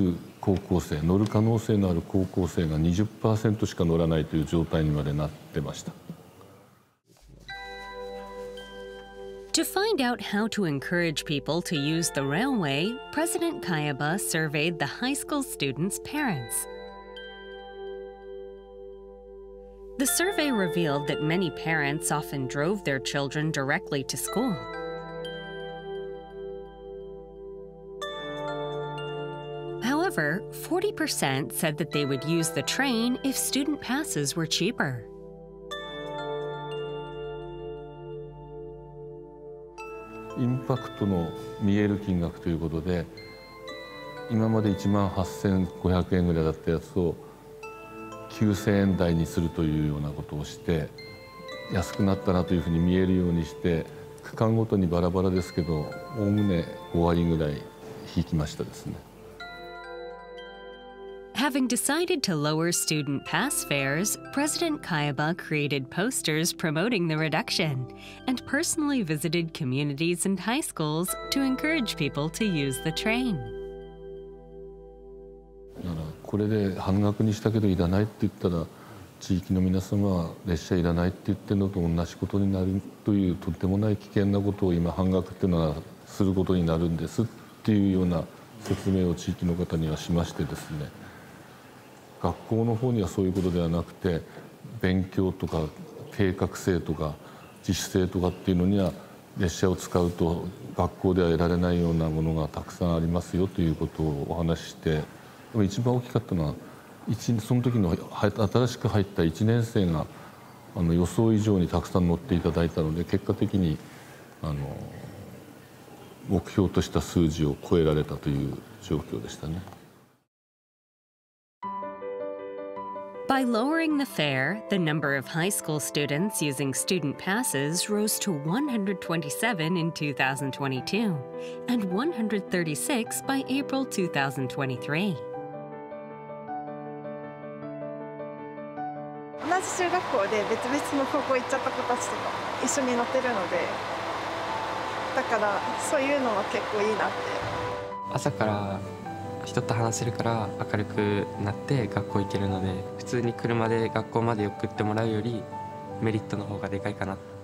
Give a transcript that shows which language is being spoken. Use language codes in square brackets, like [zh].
[ja] 人口の減りの数倍の角度で落ちてくるという形になってまして、沿線にいる高校生、乗る可能性のある高校生が 20% しか乗らないという状態にまでなってました。 [en] To find out how to encourage people to use the railway, President Kayaba surveyed the high school students' parents. The survey revealed that many parents often drove their children directly to school. However, 40% said that they would use the train if student passes were cheaper. [ja] インパクトの見える金額ということで今まで 18,500円ぐらいだったやつを 9000円台にするというようなことをして安くなったなというふうに見えるようにして区間ごとにバラバラですけど概ね5割ぐらい引きましたですね。 [en] Having decided to lower student pass fares, President Kayaba created posters promoting the reduction and personally visited communities and high schools to encourage people to use the train. [ja] これで半額にしたけどいらないって言ったら地域の皆様は列車いらないって言ってるのと同じことになるというとてもない危険なことを今半額っていうのはすることになるんですっていうような説明を地域の方にはしましてですね、学校の方にはそういうことではなくて勉強とか計画性とか自主性とかっていうのには列車を使うと学校では得られないようなものがたくさんありますよということをお話しして、一番大きかったのはその時の新しく入った1年生が予想以上にたくさん乗っていただいたので結果的に目標とした数字を超えられたという状況でしたね。 [en] By lowering the fare, the number of high school students using student passes rose to 127 in 2022 and 136 by April 2023. [ja] 同じ中学校で別々の高校行っちゃった子たちとか一緒に乗ってるので、だからそういうのは結構いいなって。朝から人と話せるから明るくなって学校行けるので、普通に車で学校まで送ってもらうよりメリットの方がでかいかな。